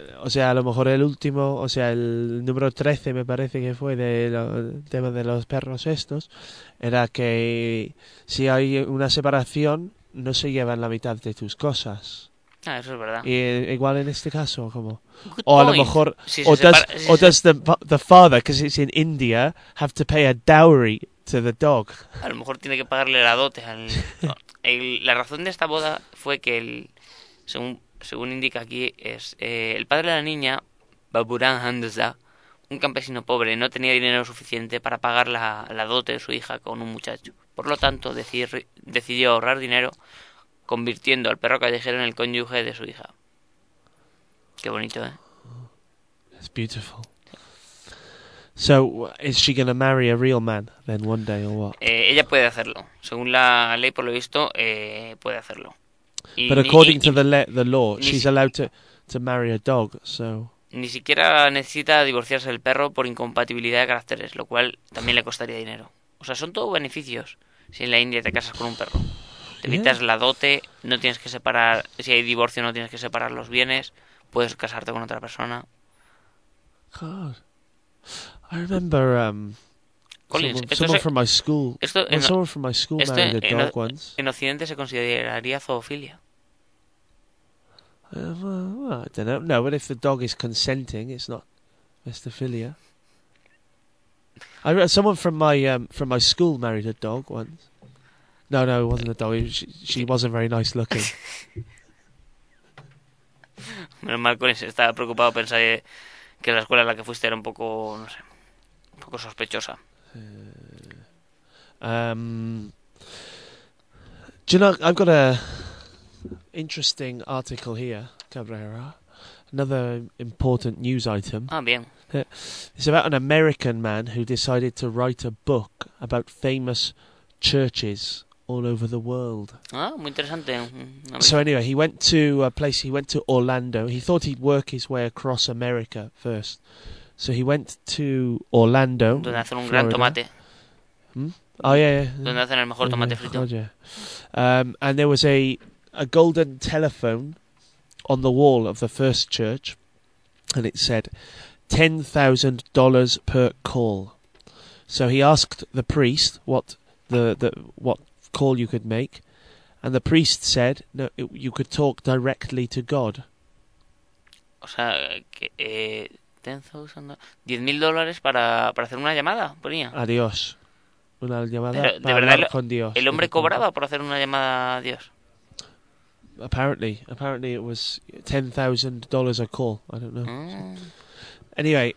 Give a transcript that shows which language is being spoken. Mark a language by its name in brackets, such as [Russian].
[Spanish] Pero a lo mejor el último, o sea, el número 13 me parece que fue del tema de los perros estos, era que si hay una separación no se llevan la mitad de tus cosas. Ah, eso es verdad. Y igual en este caso, ¿cómo? [English] Good point. [Spanish] A lo mejor, si se separa, [English] does the father, because it's in India, have to pay a dowry to the dog. [Spanish] A lo mejor tiene que pagarle la dote al... La razón de esta boda fue que el, según indica aquí, es el padre de la niña, Baburan Handza, un campesino pobre, no tenía dinero suficiente para pagar la dote de su hija con un muchacho. Por lo tanto, decidió ahorrar dinero convirtiendo al perro callejero en el cónyuge de su hija. Qué bonito, ¿eh? [English] It's beautiful. So, is she going to marry a real man then one day or what? [Spanish] Ella puede hacerlo. Según la ley, por lo visto, puede hacerlo. [English] But according to the law, she's allowed to marry a dog, so... [Spanish] Ni siquiera necesita divorciarse del perro por incompatibilidad de caracteres, lo cual también le costaría dinero. O sea, son todos beneficios si en la India te casas con un perro. Te evitas la dote, no tienes que separar... Si hay divorcio, no tienes que separar los bienes. Puedes casarte con otra persona. [English] God. I remember someone from my school married a dog once. [Spanish] En Occidente se consideraría zoofilia. [English] I don't know. No, but if the dog is consenting, it's not mestophilia. Someone from my school married a dog once. No, it wasn't a dog. She wasn't very nice looking. [Spanish] Menos mal, Colin, estaba preocupado, pensar que la escuela en la que fuiste era un poco, no sé, un poco sospechosa. [English] Do you know, I've got a interesting article here, Cabrera. Another important news item. [Spanish] Ah, bien. [English] It's about an American man who decided to write a book about famous churches all over the world. [Spanish] Ah, muy interesante. [English] So anyway, he went to a place, he went to Orlando. He thought he'd work his way across America first. So he went to Orlando. [Spanish] Donde hacen un gran tomate. Donde hacen el mejor tomate frito. [English] Oh, yeah. And there was a golden telephone on the wall of the first church, and it said $10,000 per call. So he asked the priest what the call you could make, and the priest said no, you could talk directly to God. [Spanish] O sea, que, $10,000 para hacer una llamada, ponía. A Dios. Una llamada. Pero, para de verdad, hablar con Dios. El hombre cobraba por hacer una llamada a Dios. [English] Apparently it was $10,000 a call. I don't know. Mm. Anyway,